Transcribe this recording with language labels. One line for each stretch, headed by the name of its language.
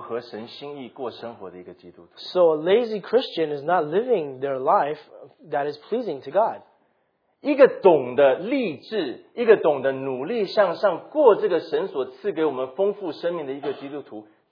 Chinese: 所以一个所谓懒惰的基督徒，事实上就是一个不符合神心意过生活的一个基督徒。
English: So a lazy Christian is not living their life that is pleasing to God.
Chinese: 一个懂得立志，一个懂得努力向上过这个神所赐给我们丰富生命的一个基督徒。